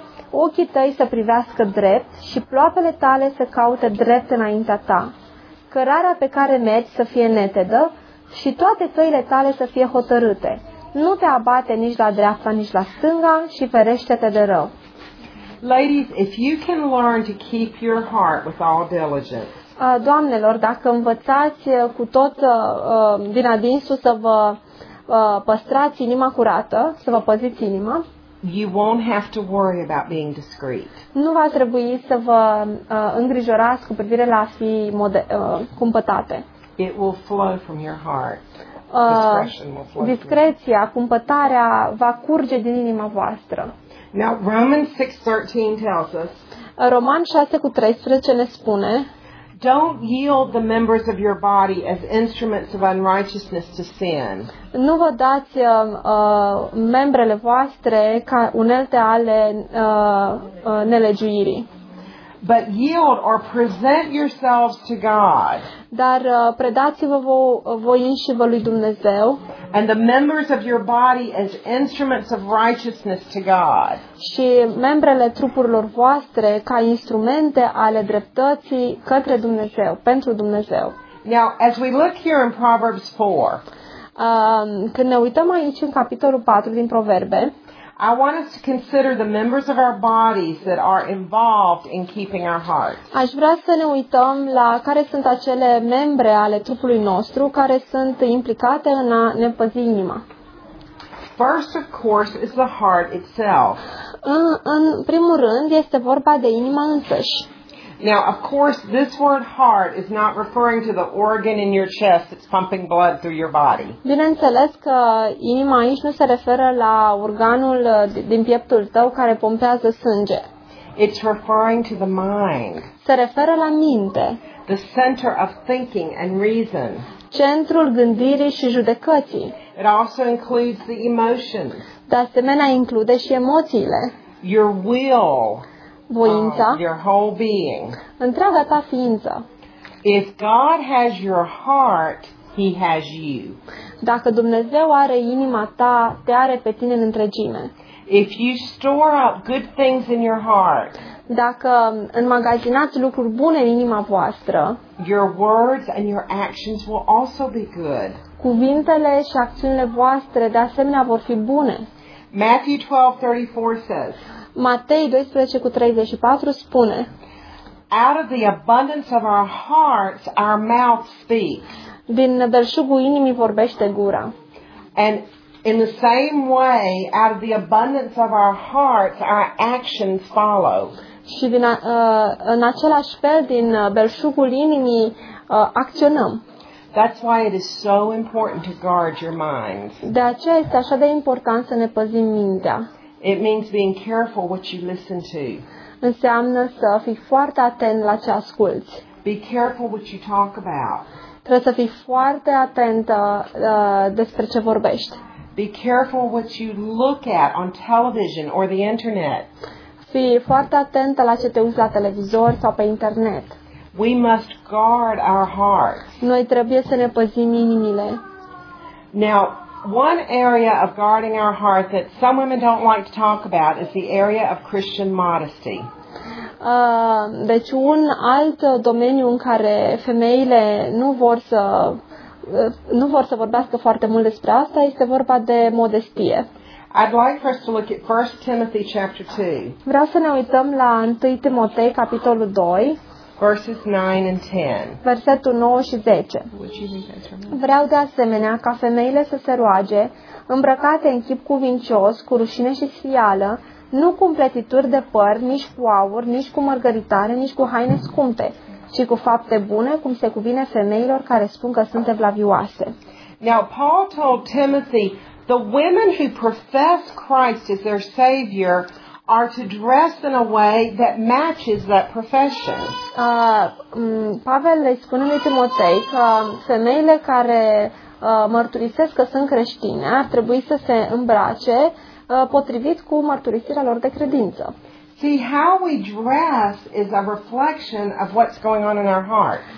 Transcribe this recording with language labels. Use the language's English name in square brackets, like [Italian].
[Romanian] Ochii tăi să privească drept și ploapele tale să caute drept înaintea ta. Cărarea pe care mergi să fie netedă și toate căile tale să fie hotărâte. Nu te abate nici la dreapta, nici la stânga și ferește-te de rău. [English] Ladies, if you can learn to keep your heart with all diligence. [Romanian] Doamnelor, dacă învățați cu tot din adinsul să vă păstrați inima curată, să vă păziți inima, [English] you won't have to worry about being discreet. [Romanian] Nu va trebui să vă îngrijorați cu privire la a fi cumpătate. [English] It will flow from your heart. [Romanian] Discreția, cumpătarea va curge din inima voastră. [English] Now Romans 6:13 tells us. [Romanian] Roman 6:13 ne spune: [English] Don't yield the members of your body as instruments of unrighteousness to sin. [Romanian] Nu vă dați membrele voastre ca unelte ale nelegiuirii. [English] But yield or present yourselves to God. [Romanian] Dar predați-vă voi înșivă lui Dumnezeu. [English] And the members of your body as instruments of righteousness to God. [Romanian] Și membrele trupurilor voastre ca instrumente ale dreptății către Dumnezeu, pentru Dumnezeu. [English] Now, as we look here in Proverbs 4. [Romanian] Când ne uităm aici în capitolul 4 din Proverbe, [English] I want us to consider the members of our bodies that are involved in keeping our hearts. [Romanian] Aș vrea să ne uităm la care sunt acele membre ale trupului nostru care sunt implicate în a ne păzi inima. [English] First, of course, is the heart itself. [Romanian] În primul rând, este vorba de inima însăși. [English] Now, of course, this word heart is not referring to the organ in your chest that's pumping blood through your body. [Romanian] Bineînțeles că inima aici nu se referă la organul din pieptul tău care pompează sânge. [English] It's referring to the mind. [Romanian] Se referă la minte. [English] The center of thinking and reason. [Romanian] Centrul gândirii și judecății. [English] It also includes the emotions. [Romanian] De asemenea, include și emoțiile. [English] Your will. [Romanian] Voința, [English] your whole being. [Romanian] Întreaga ta ființă. [English] If God has your heart, he has you. [Romanian] Dacă Dumnezeu are inima ta, te are pe tine în întregime. [English] If you store up good things in your heart. [Romanian] Dacă înmagazinați lucruri bune în inima voastră, [English] your words and your actions will also be good. [Romanian] Cuvintele și acțiunile voastre de asemenea vor fi bune. [English] Matthew 12:34 says. [Romanian] Matei 12:34 spune: [English] Out of the abundance of our hearts our mouth speaks. [Romanian] Din nădărșugul inimii vorbește gura. [English] And in the same way, out of the abundance of our hearts our actions follow. [Romanian] Și în același fel, din belșugul inimii acționăm. [English] That's why it is so important to guard your minds. [Romanian] De aceea este așa de important să ne păzim mintea. [English] It means being careful what you listen to. [Romanian] Înseamnă să fii foarte atent la ce asculți. [English] Be careful what you talk about. [Romanian] Trebuie să fii foarte atentă despre ce vorbești. [English] Be careful what you look at on television or the internet. [Romanian] Fii foarte atentă la ce te uiți la televizor sau pe internet. [English] We must guard our hearts. [Romanian] Noi trebuie să ne păzim inimile. [English] Now, one area of guarding our heart that some women don't like to talk about is the area of Christian modesty. [Romanian] Deci un alt domeniu în care femeile nu vor să vorbească foarte mult despre asta este vorba de modestie. [English] I'd like for us to look at 1 Timothy chapter 2. [Romanian] Vreau să ne uităm la 1 Timotei capitolul 2. [English] Verses 9 and 10. [Romanian] Versetul 9 și 10. Vreau de asemenea ca femeile să se roage, îmbrăcate în chip cuvincios, cu rușine și sfială, nu cu împletituri de păr, nici cu aur, nici cu mărgăritare, nici cu haine scumpe, ci cu fapte bune, cum se cuvine femeilor care spun că sunt evlavioase. [English] Now Paul told Timothy, the women who profess Christ as their savior are to dress in a way that matches that profession. [Romanian] Pavel le spune lui Timotei că femeile care mărturisesc că sunt creștine ar trebui să se îmbrace potrivit cu mărturisirea lor de credință. [English] See, how we dress is a reflection of what's going on in our heart.